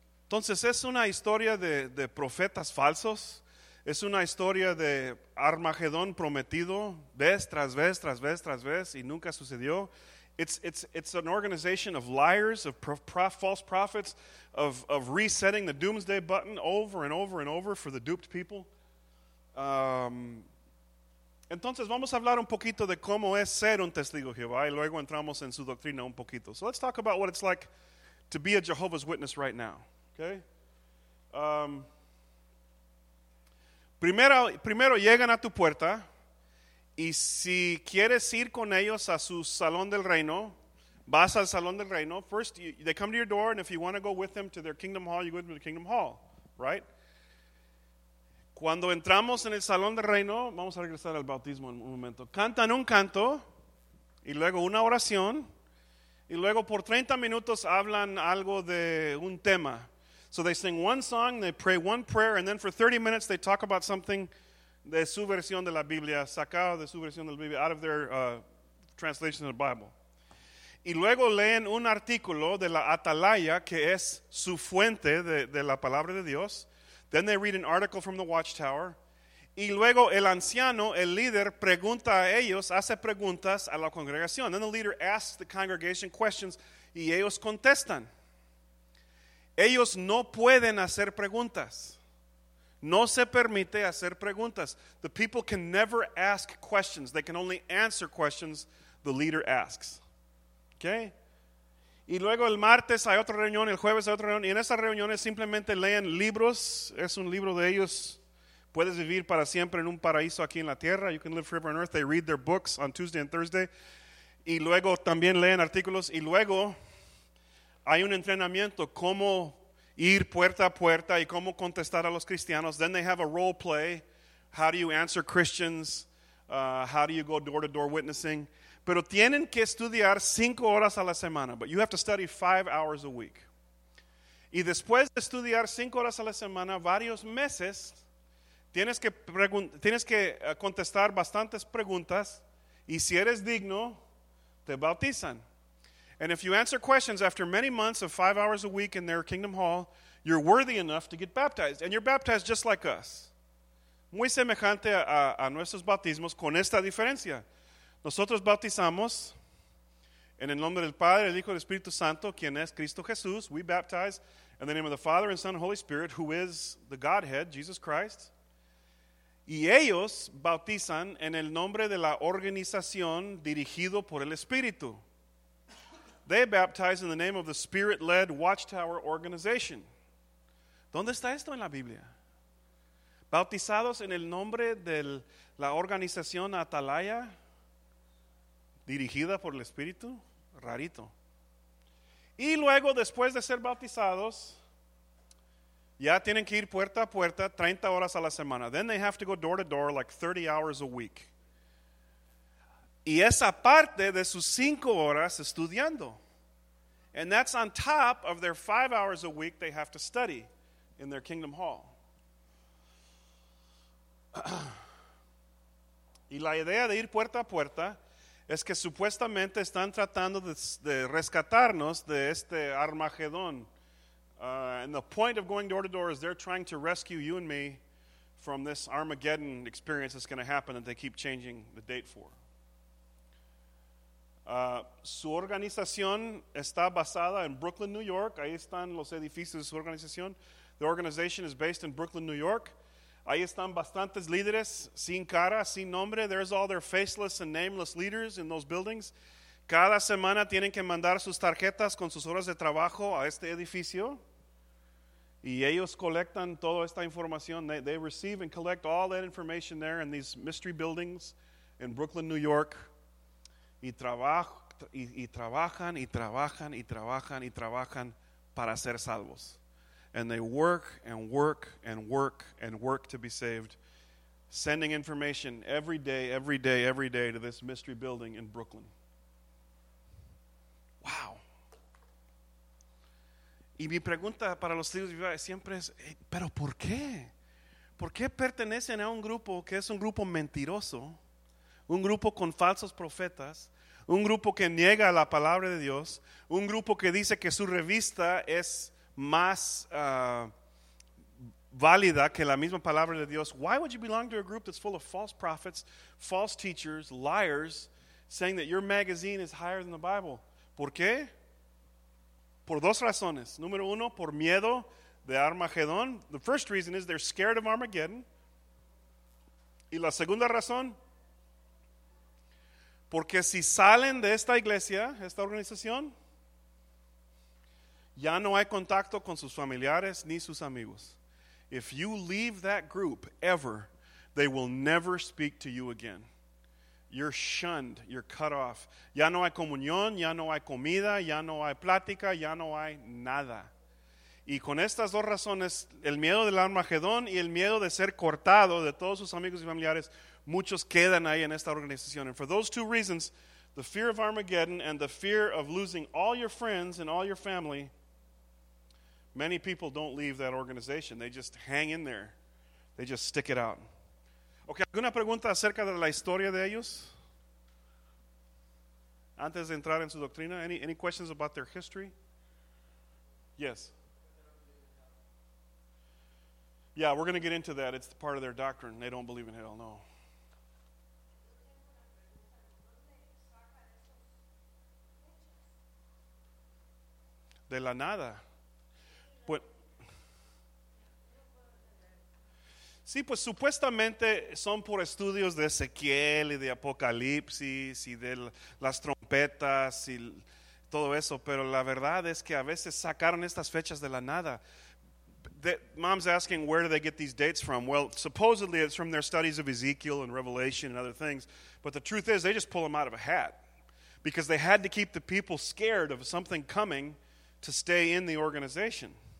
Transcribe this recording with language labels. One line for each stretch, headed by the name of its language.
Spanish: Entonces, es una historia de profetas falsos. Es una historia de Armagedón prometido vez tras vez, tras vez, tras vez, y nunca sucedió.
English: It's an organization of liars, of false prophets, of resetting the doomsday button over and over and over for the duped people.
Spanish: Entonces, vamos a hablar un poquito de cómo es ser un testigo de Jehová y luego entramos en su doctrina un poquito.
English: So let's talk about what it's like to be a Jehovah's Witness right now. Okay?
Spanish: Primero llegan a tu puerta y si quieres ir con ellos a su salón del reino, vas al salón del reino.
English: First, they come to your door, and if you want to go with them to their kingdom hall, you go to the kingdom hall, right?
Spanish: Cuando entramos en el salón del reino, vamos a regresar al bautismo en un momento. Cantan un canto y luego una oración y luego por 30 minutos hablan algo de un tema.
English: So they sing one song, they pray one prayer, and then for 30 minutes they talk about something
Spanish: de su versión de la Biblia,
English: sacado de su versión de la Biblia, out of their translation of the Bible.
Spanish: Y luego leen un artículo de la Atalaya, que es su fuente de la palabra de Dios.
English: Then they read an article from the Watchtower.
Spanish: Y luego el anciano, el líder, pregunta a ellos, hace preguntas a la congregación.
English: Then the leader asks the congregation questions
Spanish: y ellos contestan. Ellos no pueden hacer preguntas. No se permite hacer preguntas.
English: The people can never ask questions. They can only answer questions the leader asks. Okay?
Spanish: Y luego el martes hay otra reunión, el jueves hay otra reunión. Y en esas reuniones simplemente leen libros. Es un libro de ellos. Puedes vivir para siempre en un paraíso aquí en la tierra.
English: You can live forever on earth. They read their books on Tuesday and Thursday.
Spanish: Y luego también leen artículos. Y luego hay un entrenamiento. Cómo ir puerta a puerta y cómo contestar a los cristianos.
English: Then they have a role play. How do you answer Christians? How do you go door to door witnessing?
Spanish: Pero tienen que estudiar 5 horas a la semana.
English: But you have to study 5 hours a week.
Spanish: Y después de estudiar 5 horas a la semana, varios meses, tienes que contestar bastantes preguntas. Y si eres digno, te bautizan.
English: And if you answer questions after many months of 5 hours a week in their kingdom hall, you're worthy enough to get baptized. And you're baptized just like us.
Spanish: Muy semejante a nuestros bautismos, con esta diferencia. Nosotros bautizamos en el nombre del Padre, el Hijo y el Espíritu Santo, quien es Cristo Jesús.
English: We baptize in the name of the Father and Son and Holy Spirit, who is the Godhead, Jesus Christ.
Spanish: Y ellos bautizan en el nombre de la organización dirigido por el Espíritu.
English: They baptize in the name of the Spirit-led Watchtower Organization.
Spanish: ¿Dónde está esto en la Biblia? Bautizados en el nombre de la organización Atalaya, dirigida por el Espíritu. Rarito. Y luego, después de ser bautizados, ya tienen que ir puerta a puerta 30 horas a la semana.
English: Then they have to go door to door like 30 hours a week.
Spanish: Y esa parte de sus 5 horas estudiando.
English: And that's on top of their 5 hours a week they have to study in their kingdom hall.
Spanish: Y la idea de ir puerta a puerta es que supuestamente están tratando de rescatarnos de este Armagedón.
English: And the point of going door to door is they're trying to rescue you and me from this Armageddon experience that's going to happen that they keep changing the date for.
Spanish: Su organización está basada en Brooklyn, New York. Ahí están los edificios de su organización.
English: The organization is based in Brooklyn, New York.
Spanish: Ahí están bastantes líderes sin cara, sin nombre.
English: There's all their faceless and nameless leaders in those buildings.
Spanish: Cada semana tienen que mandar sus tarjetas con sus horas de trabajo a este edificio. Y ellos colectan toda esta información.
English: They receive and collect all that information there in these mystery buildings in Brooklyn, New York.
Spanish: Y trabajan para ser salvos.
English: And they work and work and work and work to be saved, sending information every day, every day, every day to this mystery building in Brooklyn. Wow.
Spanish: Y mi pregunta para los hijos siempre es, ¿pero por qué? ¿Por qué pertenecen a un grupo que es un grupo mentiroso, un grupo con falsos profetas, un grupo que niega la palabra de Dios, un grupo que dice que su revista es más válida que la misma palabra de Dios?
English: Why would you belong to a group that's full of false prophets, false teachers, liars, saying that your magazine is higher than the Bible?
Spanish: ¿Por qué? Por dos razones. Número uno, por miedo de Armagedón.
English: The first reason is they're scared of Armageddon.
Spanish: Y la segunda razón, porque si salen de esta iglesia, esta organización, ya no hay contacto con sus familiares ni sus amigos.
English: If you leave that group ever, they will never speak to you again. You're shunned. You're cut off.
Spanish: Ya no hay comunión, ya no hay comida, ya no hay plática, ya no hay nada. Y con estas dos razones, el miedo del Armagedón y el miedo de ser cortado de todos sus amigos y familiares, muchos quedan ahí en esta organización.
English: And for those two reasons, the fear of Armageddon and the fear of losing all your friends and all your family, many people don't leave that organization. They just hang in there. They just stick it out.
Spanish: Okay, ¿alguna pregunta acerca de la historia de ellos? Antes de entrar en su doctrina,
English: any questions about their history? Yes. Yeah, we're going to get into that. It's part of their doctrine. They don't believe in hell, no.
Spanish: De la nada. Pues, sí, pues supuestamente son por estudios de Ezequiel y de Apocalipsis y de las trompetas y todo eso, pero la verdad es que a veces sacaron estas fechas de la nada.
English: Mom's asking, where do they get these dates from? Well, supposedly it's from their studies of Ezekiel and Revelation and other things, but the truth is they just pull them out of a hat because they had to keep the people scared of something coming to stay in the organization.